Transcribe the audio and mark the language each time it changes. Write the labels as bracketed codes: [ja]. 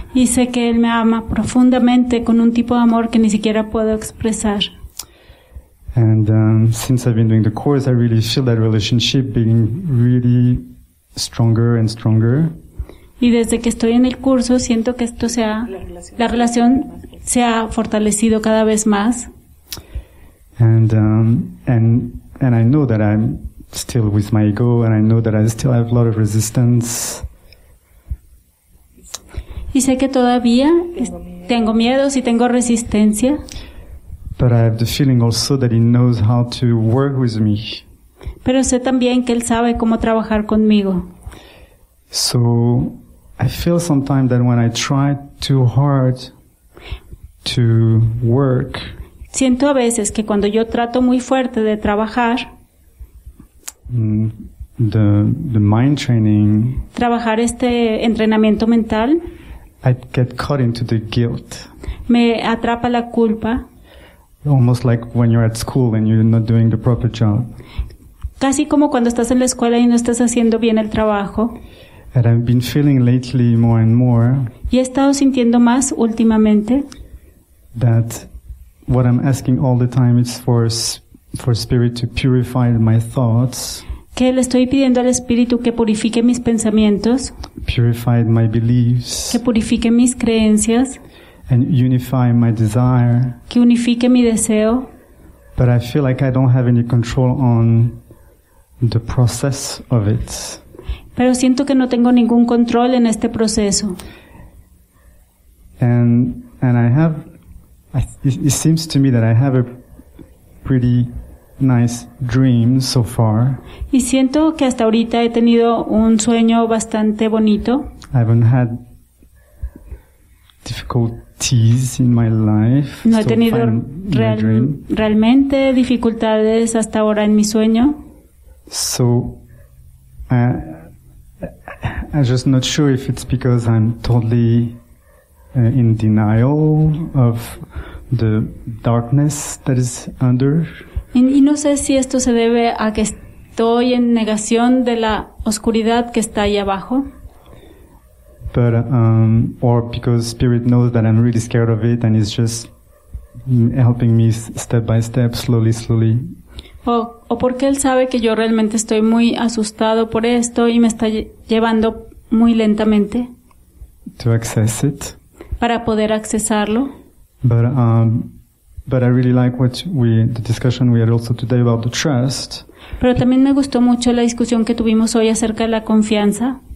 [es] Y sé que él me ama profundamente con un tipo de amor que ni siquiera puedo expresar. [en] And since I've been doing the course, I really feel that relationship being really stronger and stronger. [es] Y desde que estoy en el curso siento que esto sea la relación se ha fortalecido cada vez más. [en] And I know that I'm still with my ego, and I know that I still have a lot of resistance. [es] Y sé que todavía tengo miedos y tengo resistencia. [en] But I have the feeling also that he knows how to work with me. [es] Pero sé también que él sabe cómo trabajar conmigo. [en] So I feel sometimes that when I try too hard to work. [es] Siento a veces que cuando yo trato muy fuerte de trabajar. [en] The mind training. [es] Trabajar este entrenamiento mental. [en] I get caught into the guilt. [es] Me atrapa la culpa. [en] Almost like when you're at school and you're not doing the proper job. [es] Casi como cuando estás en la escuela y no estás haciendo bien el trabajo. [en] And I've been feeling lately more and more. [es] Y he estado sintiendo más últimamente. [en] That what I'm asking all the time is for spirit to purify my thoughts. [es] Que le estoy pidiendo al espíritu que purifique mis pensamientos. [en] Purify my beliefs. [es] Que purifique mis creencias. [en] And unify my desire. [es] Que unifique mi deseo. [en] But I feel like I don't have any control on the process of it. [es] Pero siento que no tengo ningún control en este proceso. [en] And I have it seems to me that I have a pretty nice dream so far. [es] Y siento que hasta ahorita he tenido un sueño bastante bonito. [en] I haven't had difficulties in my life. [es] No he tenido realmente dificultades hasta ahora en mi sueño. [en] So, I'm just not sure if it's because I'm totally in denial of the darkness that is under. [es] Y no sé si esto se debe a que estoy en negación de la oscuridad que está ahí abajo. [en] But, or because spirit knows that I'm really scared of it and it's just helping me step by step, slowly, slowly. [es] O porque él sabe que yo realmente estoy muy asustado por esto y me está llevando muy lentamente. [en] To access it. [es] Para poder accesarlo. [en] But I really like the discussion we had also today about the trust. [es] Pero también me gustó mucho la discusión que tuvimos hoy acerca de la confianza.